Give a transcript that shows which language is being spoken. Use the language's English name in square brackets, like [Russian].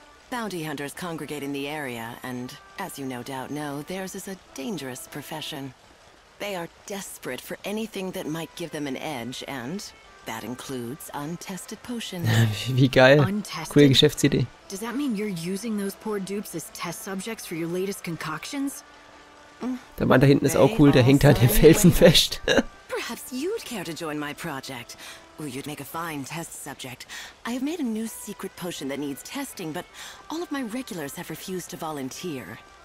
[English] Bounty hunters congregate in the area, and as you no doubt know, theirs is a dangerous profession. They are desperate for anything that might give them an edge, and that includes untested potions. [German] Wie geil. Coole Geschäftsidee. [English] Does that mean you're using those poor dupes as test subjects for your latest concoctions? [German] Der Mann da hinten ist auch cool, der hängt halt im Felsen fest. [English] Perhaps you'd care to join my project. Oh, you'd make a fine test subject. I have made a new secret potion that needs testing, but all of my regulars have refused to volunteer.